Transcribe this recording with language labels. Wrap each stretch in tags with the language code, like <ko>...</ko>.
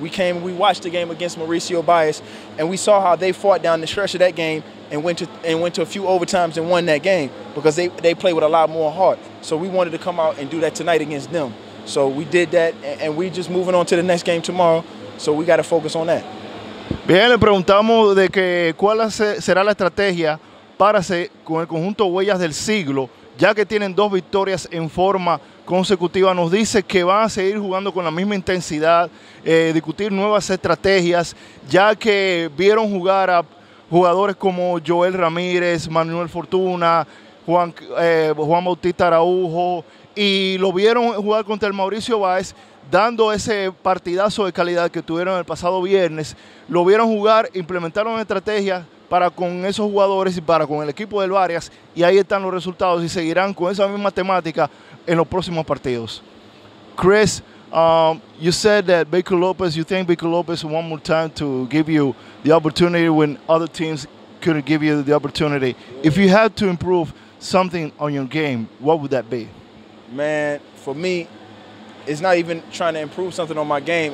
<en>We watched the game against Mauricio Baez, and we saw how they fought down the stretch of that game and went to a few overtimes and won that game because they play with a lot more heart. So we wanted to come out and do that tonight against them. So we did that, and we're just moving on to the next game tomorrow. So we got to focus on that.</en> <es>Bien, le preguntamos de que cuál será la estrategia para hacer con el conjunto Huellas del Siglo, ya que tienen dos victorias en forma consecutiva. Nos dice que van a seguir jugando con la misma intensidad, discutir nuevas estrategias, ya que vieron jugar a jugadores como Joel Ramírez, Manuel Fortuna, Juan Bautista Araújo, y lo vieron jugar contra el Mauricio Báez, dando ese partidazo de calidad que tuvieron el pasado viernes. Lo vieron jugar, implementaron estrategias para con esos jugadores y para con el equipo del Varias, y ahí están los resultados, y seguirán con esa misma temática en los próximos partidos.</es> <en>Chris, you said that Baker Lopez, you thank Baker Lopez one more time to give you the opportunity when other teams couldn't give you the opportunity. If you had to improve something on your game, what would that be? Man, for me, it's not even trying to improve something on my game.</en>